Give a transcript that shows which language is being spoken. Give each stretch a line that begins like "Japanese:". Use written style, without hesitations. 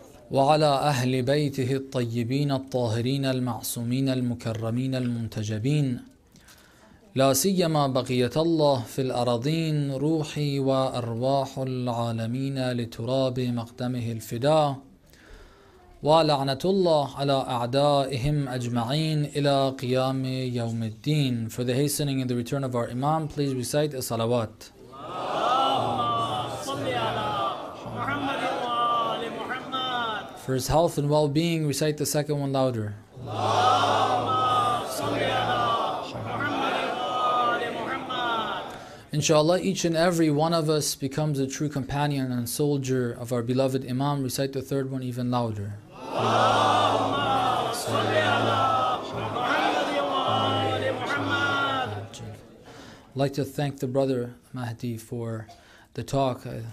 Arabic: وعلى أهل بيته الطيبين الطاهرين المعصومين المكرمين المنتجبين، لا سيما بقية الله في الأراضين روحي وأرواح العالمين لتراب مقدمه الفداء، ولعنة الله على أعدائهم أجمعين إلى قيام يوم الدين.
English: For the hastening and the return of our Imam, please recite الصلوات.
Arabic: اللهم صل على محمد وآل محمد.
English: For his health and well-being, recite the second one louder.
Arabic: اللهم صل على محمد وآل محمد.
English: Inshallah, each and every one of us becomes a true companion and soldier of our beloved Imam. Recite the third one even louder. I'd like to thank the brother Mahdi for the talk.